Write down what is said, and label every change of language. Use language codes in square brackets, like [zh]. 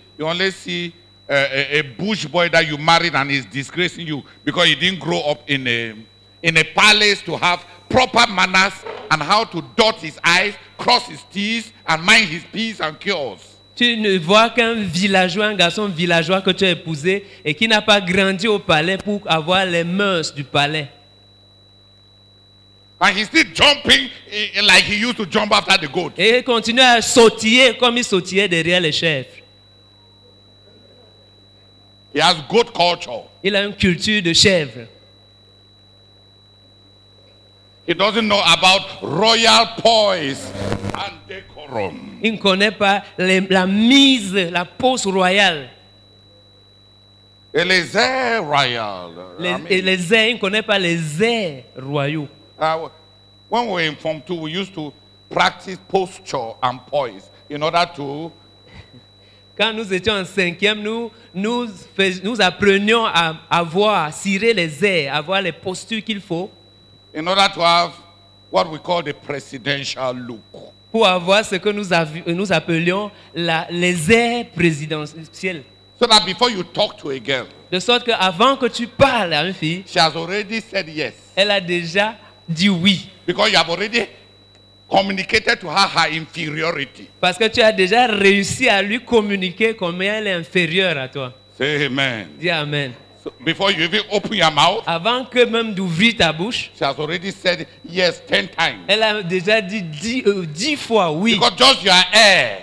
[en] You only see a bush boy that you married and is disgracing you because he didn't grow up in a palace to have proper manners and how to dot his I's, cross his T's and mind his P's and Q's. [fr] Tu ne vois qu'un villageois, un garçon villageois que tu as épousé et qui n'a pas grandi au palais pour avoir les mœurs du palais. [en] And he's still jumping like he used to jump after the goat. [fr] Et il continue à sautiller comme il sautillait derrière les chèvres. [en] He has goat culture. [fr] Il a une culture de chèvre. [en] He doesn't know about royal poise and decorum. [fr] Il ne connaît pas la mise, la pose royale. Et les airs royaux. Les airs, il ne connaît pas les airs royaux. [en] When we were in Form 2, we used to practice posture and poise in order to... [fr] Quand nous étions en cinquième, nous apprenions à avoir, à cirer les airs, avoir les postures qu'il faut. [en] In order to have what we call the presidential look. [fr] Pour avoir ce que nous appelions les airs présidentiels. [en] So that before you talk to a girl, [fr] de sorte que avant que tu parles à une fille, [en] she has already said yes. [fr] Elle a déjà dit oui. [en] Because you have already communicated to her her inferiority. [fr] Parce que tu as déjà réussi à lui communiquer combien elle est inférieure à toi. [en] Say amen. [fr] Dis amen. [en] So before you even open your mouth, [fr] avant que même d'ouvrir ta bouche, [en] she has already said yes 10 times. [fr] Elle a déjà dit 10 fois oui. [en] Because just your air.